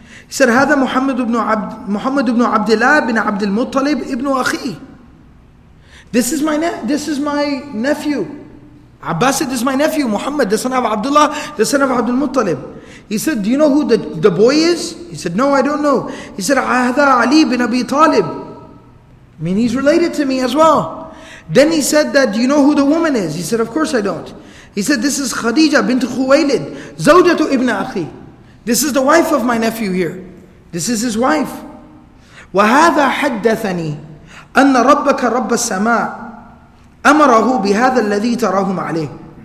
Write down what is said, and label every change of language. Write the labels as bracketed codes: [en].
[en] He said, [ar] هذا محمد بن عبد الله بن عبد المطلب ابن أخي. [en] This is my nephew. Abbas said, this is my nephew, Muhammad, the son of Abdullah, the son of Abd al-Muttalib. He said, do you know who the boy is? He said, no, I don't know. He said, [ar] هذا علي بن أبي طالب. [en] I mean, he's related to me as well. Then he said that, do you know who the woman is? He said, of course I don't. He said, this is Khadija bint Khuwaylid, [ar] Zawjatu ibn Akhi. [en] This is the wife of my nephew here. This is his wife. [ar] وَهَذَا حَدَّثَنِي أَنَّ رَبَّكَ رَبَّ السَّمَاءِ أَمَرَهُ بِهَذَا الَّذِي تَرَاهُمْ عَلَيْهِ.